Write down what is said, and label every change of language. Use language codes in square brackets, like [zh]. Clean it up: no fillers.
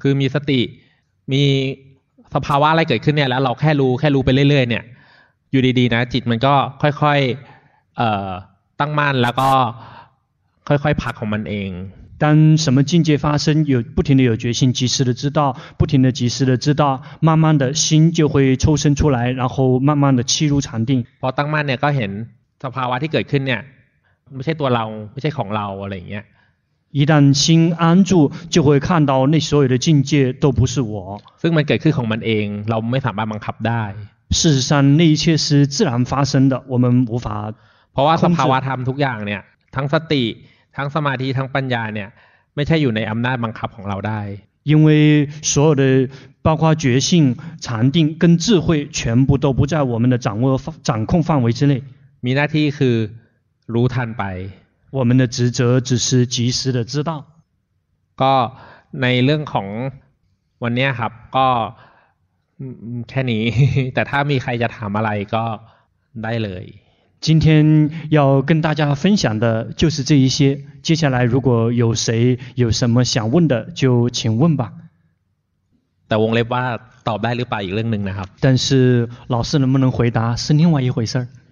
[th] คือมีสติมีสภาวะอะไรเกิดขึ้นเนี่ยแล้วเราแค่รู้ไปเรื่อยๆเนี่ยอยู่ดีๆนะจิตมันก็ค่อยๆตั้งมั่นแล้วก็ค่อยๆพักของมันเอง [zh] 当什么境界发生，有不停的有决心，及时的知道，不停的及时的知道，慢慢的心就会抽身出来，然后慢慢的契入禅定。 [th] พอตั้งมั่นเนี่ยก็เห็นสภาวะที่เกิดขึ้นเนี่ยไม่ใช่ตัวเราไม่ใช่ของเราอะไรเงี้ย [zh] 一旦心安住，就会看到那所有的境界都不是我。 [th] ซึ่งมันเกิดขึ้นของมันเองเราไม่สามารถบังคับได้ [zh] 事实上那一切是自然发生的，我们无法 [th] เพราะว่าสภาวะธรรมทุกอย่างเนี่ยทั้งสติทั้งสมาธิทั้งปัญญาเนี่ยไม่ใช่อยู่ในอำนาจบังคับของเราได้ [zh] 因为所有的包括觉性禅定跟智慧全部都不在我们的掌控范围之内 [th] มีหน้าที่คือรู้ทันไป [zh] 我们的职责只是及时的知道 [th] ก็ในเรื่องของวันนี้ครับก็แค่นี้แต่ถ้ามีใครจะถามอะไรก็ได้เลย [zh] 今天要跟大家分享的就是这一些，接下来如果有谁有什么想问的就请问吧。 [th] แต่วงเล็บว่าตอบได้หรือเปล่าอีกเรื่องนึงนะครับ。 [zh] 但是老师能不能回答是另外一回事。